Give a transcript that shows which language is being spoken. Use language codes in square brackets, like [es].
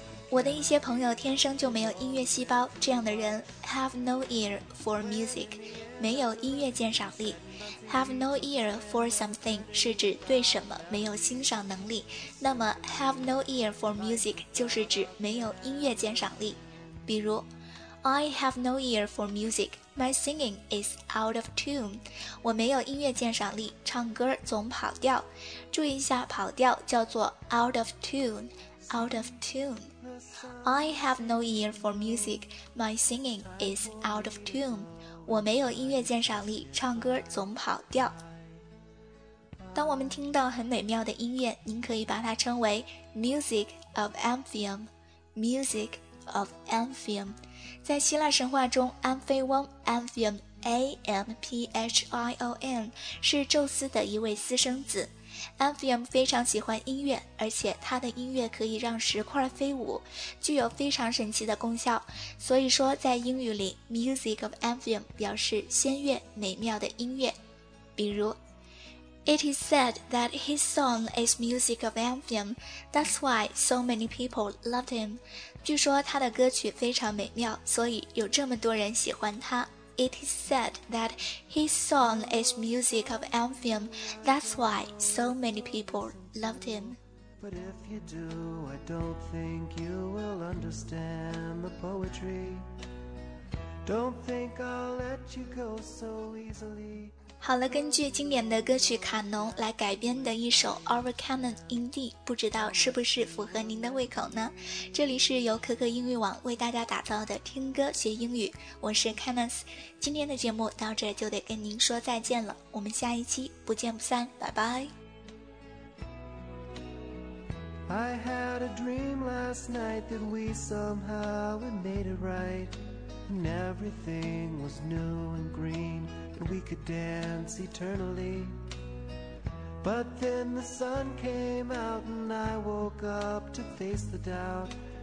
[zh] 我的一些朋友天生就没有音乐细胞，这样的人 [en] have no ear for music， [zh] 没有音乐鉴赏力。 [en] have no ear for something [zh] 是指对什么没有欣赏能力，那么 [en] have no ear for music [zh] 就是指没有音乐鉴赏力。 [en] 比如 I have no ear for music, my singing is out of tune， [zh] 我没有音乐鉴赏力，唱歌总跑调。注意一下，跑调叫做 [en] out of tune， [zh] out of tune。 [en] I have no ear for music, my singing is out of tune， [zh] 我没有音乐鉴赏力，唱歌总跑调。当我们听到很美妙的音乐，您可以把它称为 [en] music of Amphion， [zh] music of Amphion。在希腊神话中，安菲翁 Amphion A-M-P-H-I-O-N 是宙斯的一位私生子。 Amphion 非常喜欢音乐，而且他的音乐可以让石块飞舞，具有非常神奇的功效。所以说在英语里 [en] Music of Amphion [zh] 表示仙乐，美妙的音乐。 [en] 比如 It is said that his song is music of Amphion, that's why so many people loved him. [zh] 据说他的歌曲非常美妙，所以有这么多人喜欢他。 [en] It is said that his song is music of Amphion, that's why so many people loved him. But if you do, I don't think you will understand the poetry. Don't think I'll let you go so easily. [zh] 好了，根据经典的歌曲《卡农》来改编的一首《Our Cannon Indeed》，不知道是不是符合您的胃口呢？这里是由可可英语网为大家打造的听歌学英语，我是 Canons。今天的节目到这就得跟您说再见了，我们下一期不见不散，拜拜。 [en] I had a dream last night that we somehow made it right, and everything was new and green. We could dance eternally. But then the sun came out, and I woke up to face the doubt.